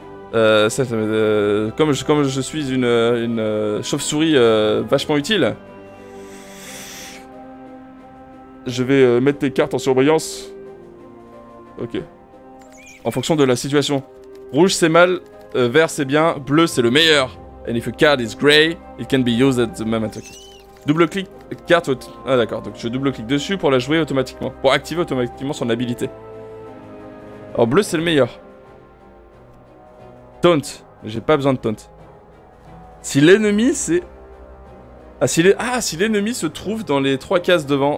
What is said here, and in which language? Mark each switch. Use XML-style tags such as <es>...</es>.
<fr>Comme je suis une chauve-souris vachement utile, je vais mettre tes cartes en surbrillance. Ok. En fonction de la situation. Rouge c'est mal, vert c'est bien, bleu c'est le meilleur.</fr> <en>And if a card is grey, it can be used at the moment.</en> <fr>Okay. Double clic, carte. Ah d'accord, donc je double clic dessus pour la jouer automatiquement. Pour activer automatiquement son habilité. Alors bleu c'est le meilleur. Taunt. J'ai pas besoin de taunt. Si l'ennemi se trouve dans les trois cases devant.</fr>